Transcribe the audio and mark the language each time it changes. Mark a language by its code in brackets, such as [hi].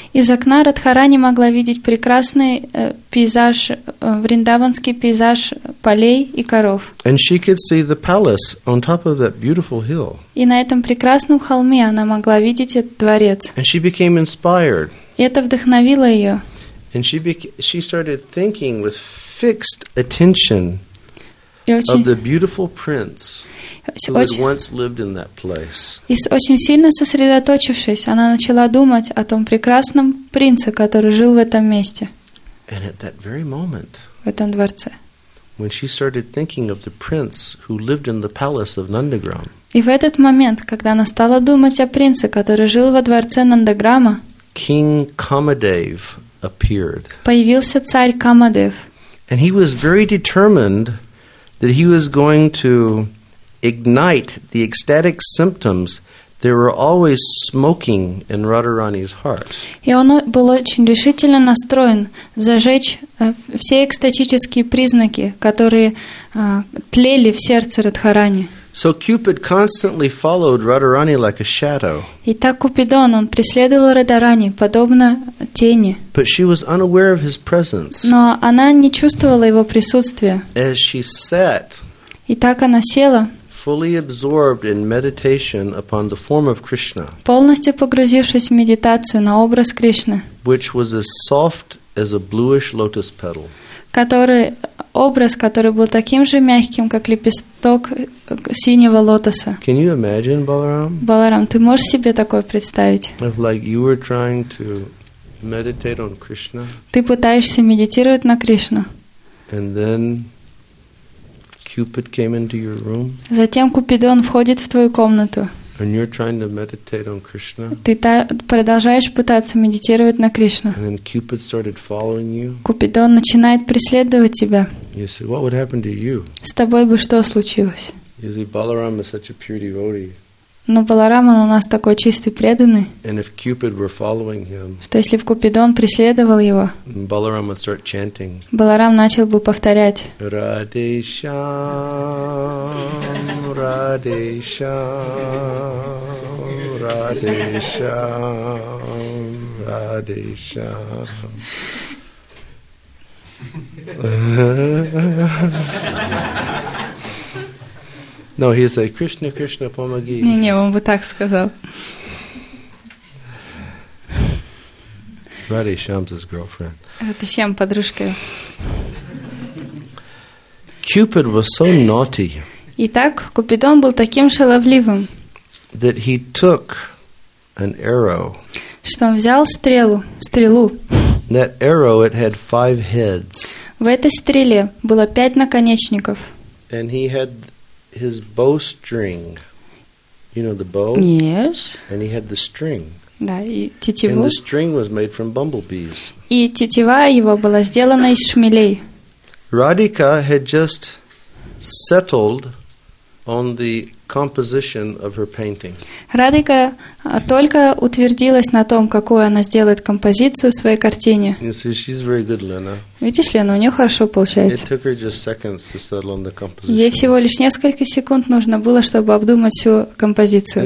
[ru] Из окна Радхарани могла видеть прекрасный пейзаж, вриндаванский пейзаж полей и коров. [en] And she could see the palace on top of that beautiful hill. [ru] И на этом прекрасном холме она могла видеть этот дворец. [en] And she became inspired. [ru] И это вдохновило ее. [en] And she started thinking with fixed attention of the beautiful prince. Who had once lived in that place. [ru] И очень сильно сосредоточившись, она начала думать о том прекрасном принце, который жил в этом месте. [en] And at that very moment, [ru] в этом дворце. [en] When she started thinking of the prince who lived in the palace of Nandagram. [ru] И в этот момент, когда она стала думать о принце, который жил во дворце Нандаграма, [en] King Kamadev appeared. [ru] Появился царь Камадев. [en] And he was very determined that he was going to ignite the ecstatic symptoms that were always smoking in Radharani's heart. [ru] И он был очень решительно настроен зажечь все экстатические признаки, которые тлели в сердце Радхарани. [en] So Cupid constantly followed Radharani like a shadow. [ru] И так Купидон, он преследовал Радхарани подобно тени. [en] But she was unaware of his presence. [ru] Но она не чувствовала его присутствия. [en] As she sat. [ru] И так она села. [en] Fully absorbed in meditation upon the form of Krishna. [ru] Полностью погрузившись в медитацию на образ Кришны. [en] Which was as soft as a bluish lotus petal. [ru] Образ, который был таким же мягким, как лепесток синего лотоса. [en] Can you imagine, Balaram? [ru] Balaram, ты можешь себе такое представить? [en] Of like you were trying to meditate on Krishna. [ru] Ты пытаешься медитировать на Кришну. [en] And then Cupid came into your room. [ru] Затем Купидон входит в твою комнату. [en] And you're trying to meditate on Krishna. [ru] Ты продолжаешь пытаться медитировать на Кришну. [en] And then Cupid started following you. [ru] Купидон начинает преследовать тебя. [en] You say, what would happen to you? [ru] С тобой бы что случилось? [en] You say, Balaram is such a pure devotee. [ru] Но Баларама у нас такой чистый преданный. [en] And if Cupid were following him, [ru] что если бы Купидон преследовал его, [en] Balaram would start chanting, [ru] Баларам начал бы повторять [sa] Радешам, Радешам, Радешам, Радешам. [en] No, he said, Krishna, Krishna, [ru] помоги. Не-не, он бы так сказал. [en] Radhe Shyam's his girlfriend. [ru] Radhe Shyam, подружка. [en] Cupid was so naughty. [ru] Итак, Купидон был таким шаловливым. [en] That he took an arrow. [ru] Что он взял стрелу, стрелу. [en] That arrow, it had five heads. [ru] В этой стреле было пять наконечников. [en] And he had his bowstring, you know the bow? Yes. And he had the string. [ru] Да, и тетиву. [en] And the string was made from bumblebees. [ru] И тетива его была сделана из шмелей. [en] Radhika had just settled on the composition of her painting. [ru] Radhika только утвердилась на том, какую она сделает композицию в своей картине. [en] You see, she's very good, Lena. [ru] Видишь, Лена, у нее хорошо получается. [en] It took her just seconds to settle on the composition. [ru] Ей всего лишь несколько секунд нужно было, чтобы обдумать всю композицию.